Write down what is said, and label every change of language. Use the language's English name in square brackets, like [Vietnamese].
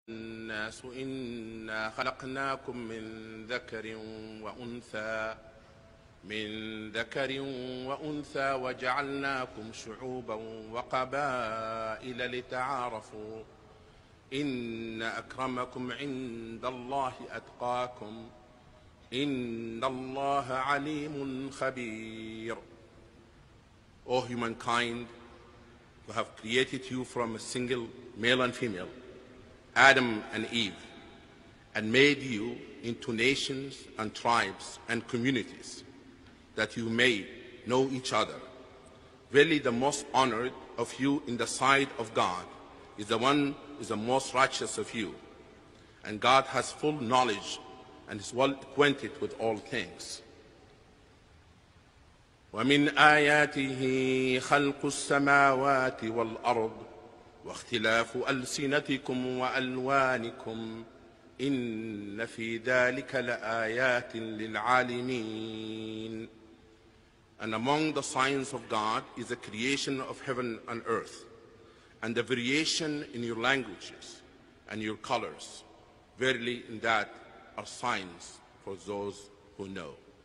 [Arabic] الناس إنا خلقناكم من ذكر وأنثى من ذكر وأنثى وجعلناكم شعوبا وقبائل لتعارفوا إن أكرمكم عند الله أتقاكم إن الله عليم خبير. [English] O humankind, who have created you from a single male and female, Adam and Eve, and made you into nations and tribes and communities, that you may know each other. Verily, the most honored of you in the sight of God is the one who is the most righteous of you. And God has full knowledge and is well acquainted with all things. [Arabic] ومن آياته خلق السماوات والأرض واختلاف ألسنتكم وألوانكم إن في ذلك لآيات للعالمين. [English] And among the signs of God is the creation of heaven and earth, and the variation in your languages and your colors. Verily, in that are signs for those who know.